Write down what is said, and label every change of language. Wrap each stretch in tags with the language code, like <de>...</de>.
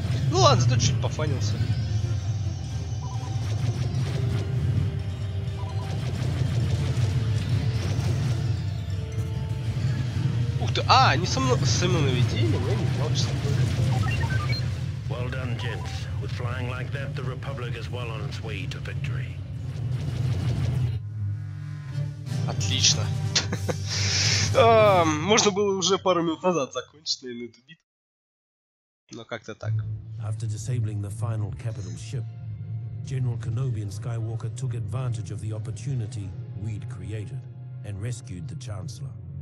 <ru>Ну ладно, зато чуть пофанился. Ух ты, а, они со мной, наведением, я не знал, что это было.</ru> <en>Well done, gents. With flying like that, the Republic is well on its way to victory.</en> <ru>Отлично. Можно было уже пару минут назад закончить, наверное, эту битву. Но как-то так.</ru> <en>After disabling the final capital ship, General Kenobi and Skywalker took advantage of the opportunity we'd created and rescued the Chancellor.</en>